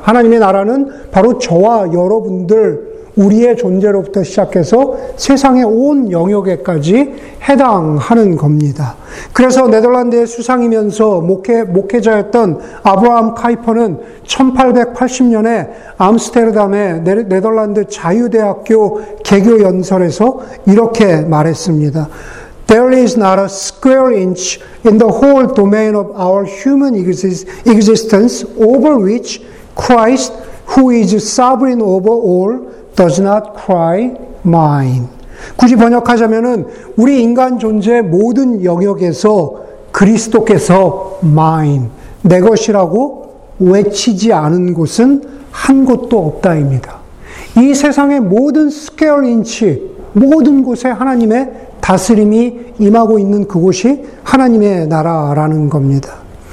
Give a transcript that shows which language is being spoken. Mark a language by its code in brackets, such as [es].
[ko] 하나님의 나라는 바로 저와 여러분들, 우리의 존재로부터 시작해서 세상의 온 영역에까지 해당하는 겁니다. 그래서 네덜란드의 수상이면서 목회자였던 아브라함 카이퍼는 1880년에 암스테르담의 네덜란드 자유대학교 개교연설에서 이렇게 말했습니다. [en] There is not a square inch in the whole domain of our human existence over which Christ, who is sovereign over all, does not cry mine. [ko] 굳이 번역하자면은 우리 인간 존재의 모든 영역에서 그리스도께서 mine, 내 것이라고 외치지 않은 곳은 한 곳도 없다입니다. 이 세상의 모든 스퀘어 인치, 모든 곳에 하나님의 다스림이 임하고 있는 그곳이 하나님의 나라라는 겁니다.